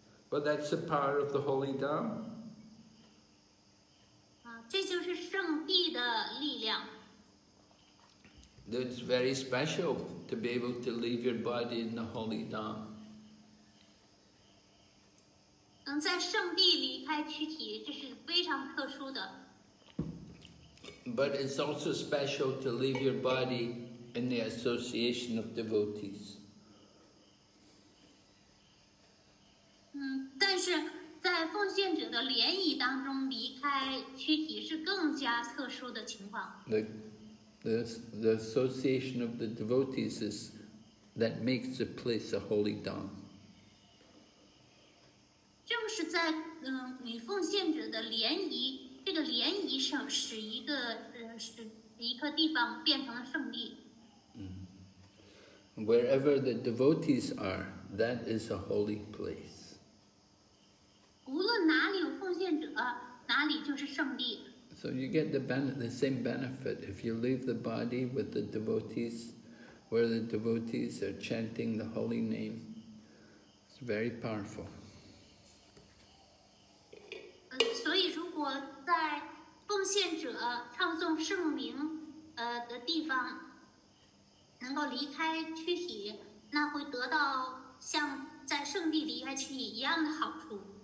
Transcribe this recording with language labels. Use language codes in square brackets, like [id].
[en] But that's the power of the Holy Dham. [zh] 这就是圣地的力量。 [en] It's very special to be able to leave your body in the Holy Dham. [zh] 能在圣地离开躯体，这是非常特殊的。 [en] But it's also special to leave your body in the association of devotees. [zh] 但是在奉献者的联谊当中离开躯体是更加特殊的情况。 [en] The association of the devotees is that makes the place a holy dham. [zh] 正是在与奉献者的联谊，这个联谊上使一个使一个地方变成了圣地。 [en] Wherever the devotees are, that is a holy place. [zh] 无论哪里有奉献者，哪里就是圣地。 [en] So you get the same benefit if you leave the body with the devotees, where the devotees are chanting the holy name. It's very powerful. [zh] 所以如果在奉献者唱诵圣名的地方能够离开躯体，那会得到像在圣地离开躯体一样的好处。